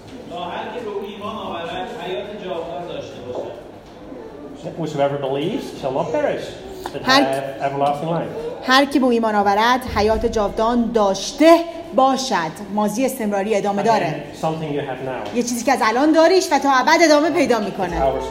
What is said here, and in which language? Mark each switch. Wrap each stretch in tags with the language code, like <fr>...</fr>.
<fa>تا هر که به ایمان آورد حیات جاودان داشته باشد.</fa> <en>Whoever believes shall not perish, but have everlasting life.</en> <fa>هر که به ایمان آورد حیات جاودان داشته باشد. ماضی استمراری ادامه داره. یه چیزی که از الان داریش و تا ابد ادامه پیدا میکنه.</fa>